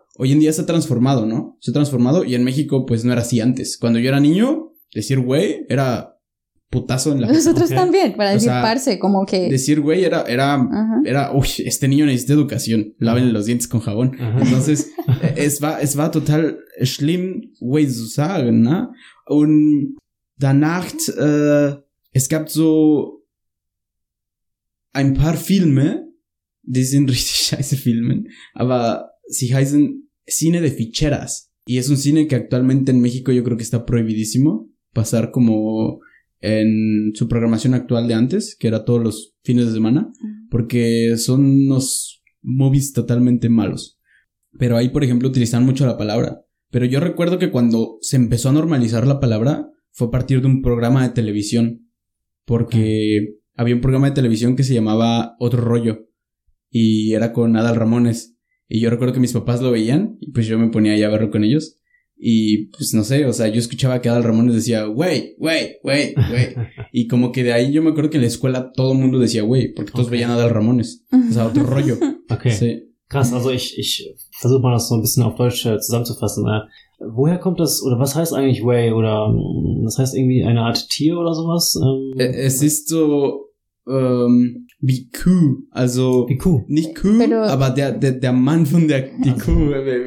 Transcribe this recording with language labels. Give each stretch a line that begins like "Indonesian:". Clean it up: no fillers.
Spanish: Hoy en día se ha transformado, ¿no? Se ha transformado y en México, pues, no era así antes. Cuando yo era niño, decir güey era putazo en la cara. Nosotros okay. también, para decir o sea, parce, como que... Decir güey era... Uh-huh. Era, uy, este niño necesita educación. Lávenle los dientes con jabón.
German: Uh-huh. Entonces, es va total schlimm, güey zu sagen, ¿no? Und danach, es gab so ein paar Filme, die sind richtig scheiße Filme, aber sie heißen Cine de Ficheras.
Spanish: Y es un cine que actualmente en México yo creo que está prohibidísimo pasar como en su programación actual de antes, que era todos los fines de semana, porque son unos movies totalmente malos. Pero ahí, por ejemplo, utilizan mucho la palabra. Pero yo recuerdo que cuando se empezó a normalizar la palabra fue a partir de un programa de televisión. Porque había un programa de televisión que se llamaba Otro Rollo. Y era con Adal Ramones. Y yo recuerdo que mis papás lo veían. Y pues yo me ponía ahí a verlo con ellos. Y pues no sé, o sea, yo escuchaba que Adal Ramones decía... ¡Güey! ¡Güey! ¡Güey! ¡Güey! Y como que de ahí yo me acuerdo que en la escuela todo el mundo decía güey. Porque todos veían a Adal Ramones. O sea, Otro Rollo. Ok. Sí.
German: Krass, also ich versuche mal das so ein bisschen auf Deutsch zusammenzufassen. Woher kommt das, oder was heißt eigentlich Whey? Oder das heißt irgendwie eine Art Tier oder sowas? Es ist so wie Kuh, also wie Kuh. Nicht Kuh, pero, aber der Mann von der die also Kuh.